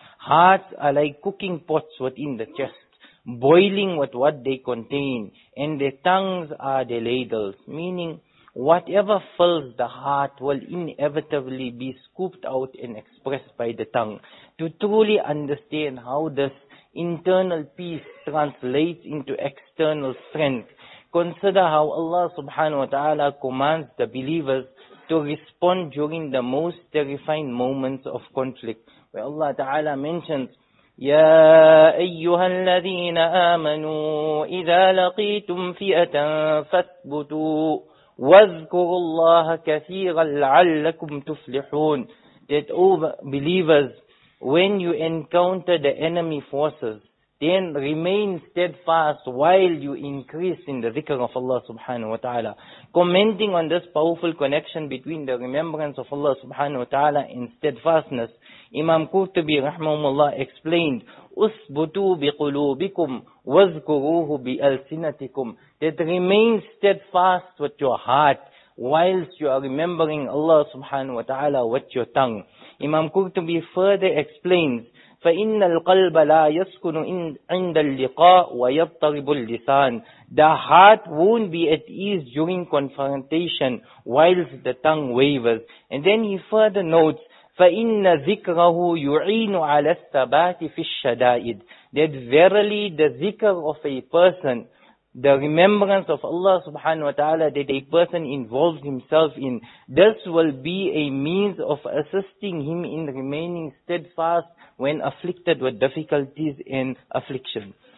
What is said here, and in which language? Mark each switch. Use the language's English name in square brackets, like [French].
[English] Hearts are like cooking pots within the chest, boiling with what they contain, and their tongues are the ladles, meaning whatever fills the heart will inevitably be scooped out and expressed by the tongue. To truly understand how this internal peace translates into external strength, consider how Allah subhanahu wa ta'ala commands the believers to respond during the most terrifying moments of conflict. Where Allah Ta'ala mentions, [Arabic] يَا أَيُّهَا الَّذِينَ آمَنُوا إِذَا لَقِيتُمْ فِئَةً فَاثْبُتُوا وَاذْكُرُوا اللَّهَ كَثِيرًا لَعَلَّكُمْ تُفْلِحُونَ. [English] That believers, when you encounter the enemy forces, then remain steadfast while you increase in the dhikr of Allah subhanahu wa ta'ala. Commenting on this powerful connection between the remembrance of Allah subhanahu wa ta'ala and steadfastness, Imam Qurtubi rahmahumullah explained, [Arabic] Usbutu biqulubikum wazkuruhu bialsinatikum. [English] That remain steadfast with your heart whilst you are remembering Allah subhanahu wa ta'ala with your tongue. Imam Qurtubi further explains, [Arabic] فَإِنَّ الْقَلْبَ لَا يَسْكُنُ عِنْدَ اللِّقَاءِ وَيَضْطَرِبُ الْلِسَانِ. [English] The heart won't be at ease during confrontation whilst the tongue wavers. And then he further notes, [Arabic] فَإِنَّ ذِكْرَهُ يُعِينُ عَلَى الثَّبَاتِ فِي الشَّدَائِدِ. [English] That verily the dhikr of a person, the remembrance of Allah subhanahu wa ta'ala that a person involves himself in, this will be a means of assisting him in remaining steadfast when afflicted with difficulties and affliction.